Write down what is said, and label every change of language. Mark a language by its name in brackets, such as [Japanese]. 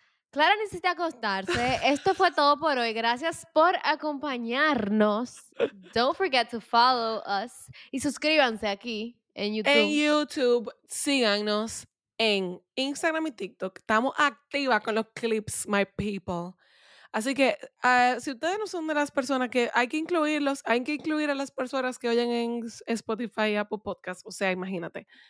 [Spanish] Clara necesita acostarse. Esto fue todo por hoy. Gracias por acompañarnos. [English] Don't forget to follow us. [Spanish] Y suscríbanse aquí en YouTube. En YouTube, síganos en Instagram y TikTok. Estamos activas con los clips, [English] my people. [Spanish] Así que, si ustedes no son de las personas que hay que incluirlos, hay que incluir a las personas que oyen en Spotify y Apple Podcasts. O sea, imagínate.